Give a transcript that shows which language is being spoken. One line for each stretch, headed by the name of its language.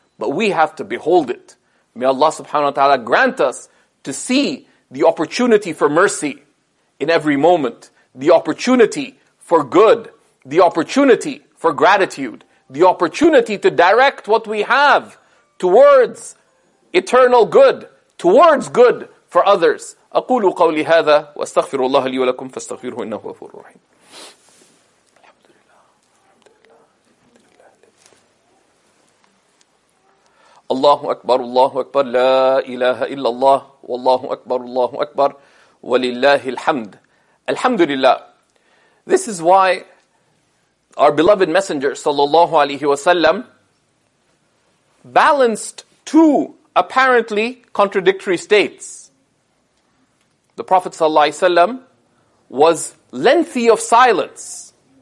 English: But we have to behold it. May Allah subhanahu wa ta'ala grant us to see the opportunity for mercy in every moment, the opportunity for good, the opportunity for gratitude, the opportunity to direct what we have towards eternal good, towards good for others.
Arabic: أقول قولي هذا واستغفر الله لي ولكم فاستغفروه إنه غفور رحيم. الله أكبر الله أكبر لا إله إلا الله والله أكبر الله أكبر ولله الحمد الحمد لله.
English: This is why our beloved messenger sallallahu alayhi wa sallam balanced two apparently contradictory states. The Prophet sallallahu alayhi wa sallam was lengthy of silence.